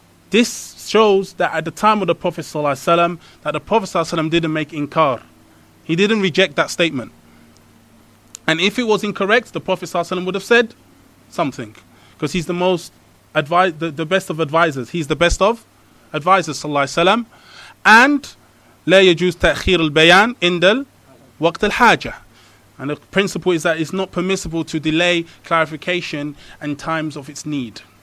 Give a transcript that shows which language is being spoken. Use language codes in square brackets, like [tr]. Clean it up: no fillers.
[en] This shows that at the time of the Prophet sallallahu alayhi wa sallam, that the Prophet sallallahu alayhi wa sallam didn't make inkar. He didn't reject that statement. And if it was incorrect, the Prophet ﷺ would have said something. Because he's the best of advisors. He's the best of advisors, ﷺ. [ar] And لا يجوز تأخير البيان عند الوقت الحاجة. [en] And the principle is that it's not permissible to delay clarification in times of its need.